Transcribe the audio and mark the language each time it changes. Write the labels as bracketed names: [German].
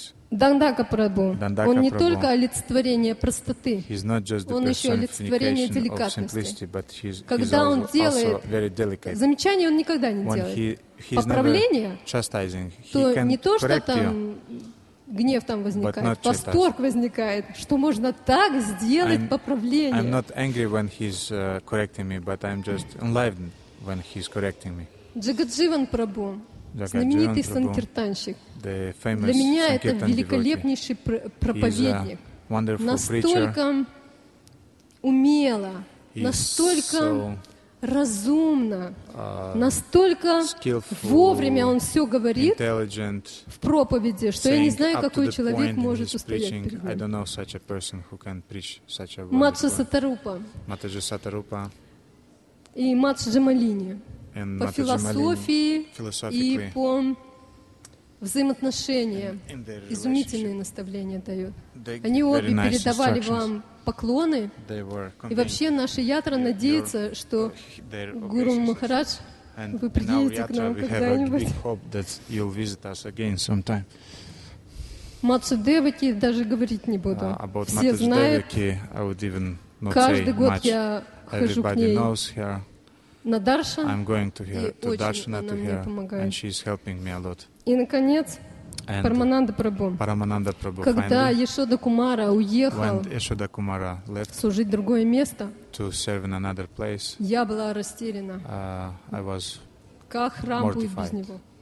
[Russian] Дандака Прабу, он не только олицетворение простоты, он еще олицетворение деликатности. Когда он делает замечание, он никогда не делает. Поправление, то не то, что там гнев там возникает, восторг возникает, что можно так сделать поправление. [English] I'm not angry when he's correcting me, but I'm just enlightened when he's correcting me. [Russian] Джагадживан Прабу, знаменитый санкиртанщик. Для меня это великолепнейший проповедник. Настолько умело, настолько разумно, настолько вовремя он все говорит в проповеди, что я не знаю, какой человек может устоять перед ним. Матаджи Сатарупа и Матаджи Джамалини по философии и по взаимоотношения изумительные наставления дают. Они обе передавали вам поклоны, и вообще наша ятра надеется, что Гуру Махарадж, вы приедете к нам когда-нибудь. Матсу Деваки даже говорить не буду. Все знают. Каждый год я хожу к ней. на Даршан. [English] I'm going to her, to Darshana, to her, and she's helping me a lot. [Russian] И наконец, Парамананда Прабху. Парамананда Прабху. Когда Яшода Кумара уехал, [English] when Яшода Кумара left, [Russian] служить другое место, [English] to serve in another place, [Russian] я была растеряна. [English] I was [Russian] как храм будет без него?